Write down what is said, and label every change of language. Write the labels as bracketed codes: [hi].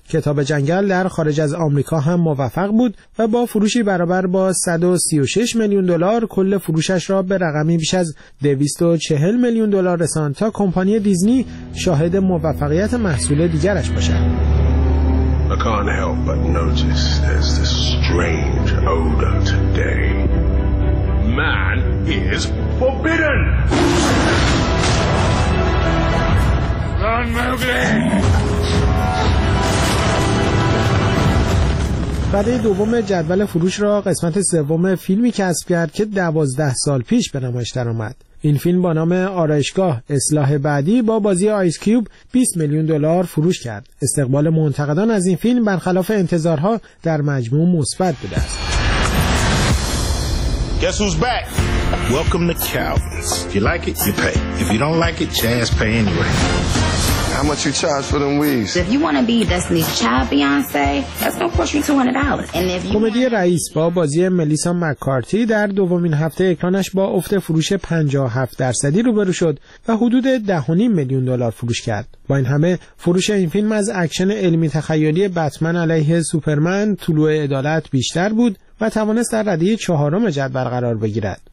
[fa] کتاب جنگل در خارج از آمریکا هم موفق بود و با فروشی برابر با 136 میلیون دلار کل فروشش را به رقمی بیش از 240 میلیون دلار رساند تا کمپانی دیزنی شاهد موفقیت محصول دیگرش باشد. [en] I can't help but notice there's this strange odor today. Man is forbidden! Run, Mowgli! [fa] رده دوم جدول فروش را قسمت سوم فیلمی کسب کرد که 12 سال پیش به نمایش درآمد. این فیلم با نام آرایشگاه اصلاح بعدی با بازی آیس کیوب 20 میلیون دلار فروش کرد. استقبال منتقدان از این فیلم برخلاف انتظارها در مجموع مثبت بوده است. [en] Guess who's back? Welcome to Calvin's. If you like it, you pay. If you don't like it, Chaz pay anyway. How much you charge for them weaves? If you want to be Destiny's Child Beyonce, that's gonna cost you $200. And if you [fa] کمدی رئیس با بازی ملیسا مکارتی در دومین هفته اکرانش با افت فروش 57% روبرو شد و حدود 10.5 میلیون دلار فروش کرد. با این همه فروش این فیلم از اکشن علمی تخیلی بتمن علیه سوپرمن طلوع عدالت بیشتر بود و توانست در رده چهارم جدول قرار بگیرد.